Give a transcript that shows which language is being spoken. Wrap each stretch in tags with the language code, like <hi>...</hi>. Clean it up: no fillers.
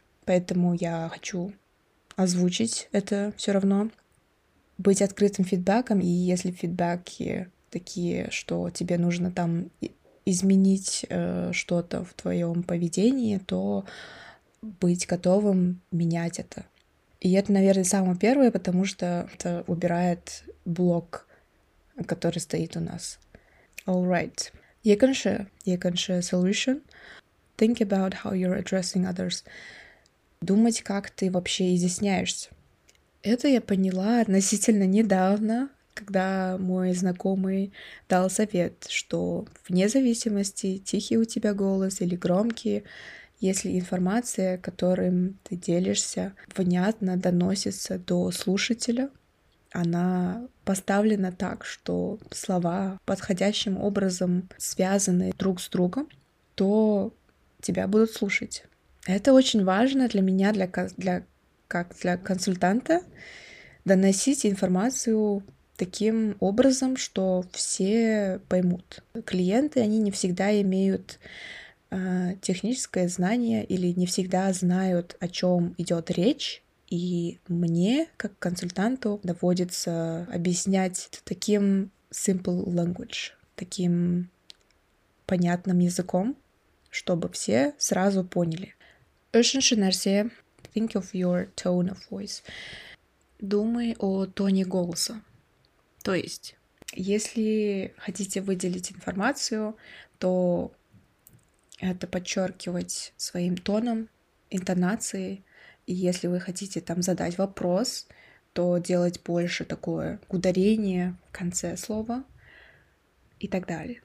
<ru>Поэтому я хочу озвучить это все равно, быть открытым фидбэком, и если фидбэки такие, что тебе нужно там изменить что-то в твоем поведении, то быть готовым менять это. И это, наверное, самое первое, потому что это убирает блок, который стоит у нас.</ru> <en>All right.</en> <kk>Екінші solution.</kk> <en>Think about how you're addressing others.</en> <ru>Думать, как ты вообще изъясняешься. Это я поняла относительно недавно, когда мой знакомый дал совет, что вне зависимости, тихий у тебя голос или громкий, если информация, которым ты делишься, внятно доносится до слушателя, она поставлена так, что слова подходящим образом связаны друг с другом, то тебя будут слушать. Это очень важно для меня, как для консультанта, доносить информацию таким образом, что все поймут. Клиенты, они не всегда имеют техническое знание или не всегда знают, о чем идет речь, и мне, как консультанту, доводится объяснять таким</ru> <en>simple language,</en> <ru>таким понятным языком, чтобы все сразу поняли.</ru> <kk>Үшінші нәрсе,</kk> <en>think of your tone of voice.</en> <ru>Думай о тоне голоса. То есть, если хотите выделить информацию, то это подчеркивать своим тоном, интонацией. И если вы хотите там задать вопрос, то делать больше такое ударение в конце слова и так далее.</ru>